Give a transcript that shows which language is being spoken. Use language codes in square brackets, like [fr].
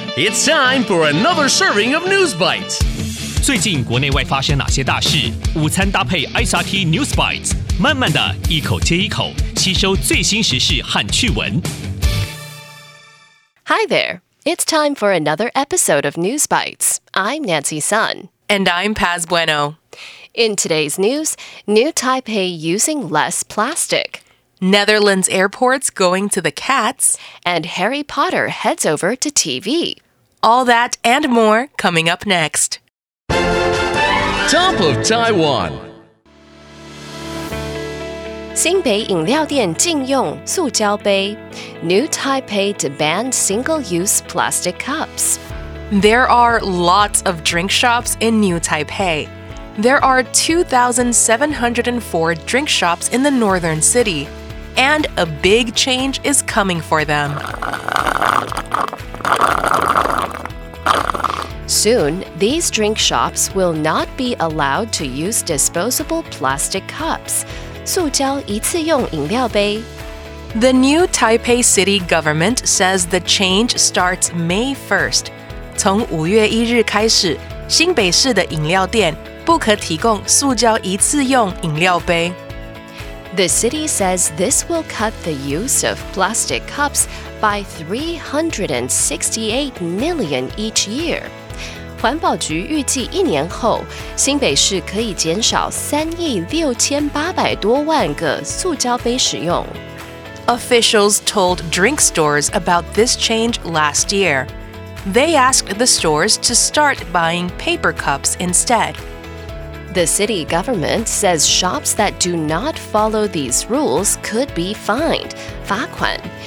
[en] It's time for another serving of News Bites. [zh] 最近国内外发生哪些大事？午餐搭配 SRT News Bites， 慢慢的一口接一口，吸收最新时事和趣闻。 [en] Hi there, it's time for another episode of News Bites. I'm Nancy Sun. And I'm Paz Bueno. In today's news, new Taipei using less plastic. Netherlands airports going to the cats. And Harry Potter heads over to TV. All that and more coming up next. Top of Taiwan. [zh] 新北飲料店禁用塑膠杯. [en] New Taipei demands single-use plastic cups. There are lots of drink shops in New Taipei. There are 2,704 drink shops in the northern city. And a big change is coming for them. Soon, these drink shops will not be allowed to use disposable plastic cups, [zh] 塑膠一次用飲料杯. [en] The new Taipei City government says the change starts May 1st. [zh] 从5月1日开始，新北市的飲料店不可提供塑膠一次用飲料杯。 [en] The city says this will cut the use of plastic cups by 368 million each year. [zh] 环保局预计一年后，新北市可以减少3亿6800多万个塑胶杯使用。 [en] Officials told drink stores about this change last year. They asked the stores to start buying paper cups instead. The city government says shops that do not follow these rules could be fined, [zh] 罚款.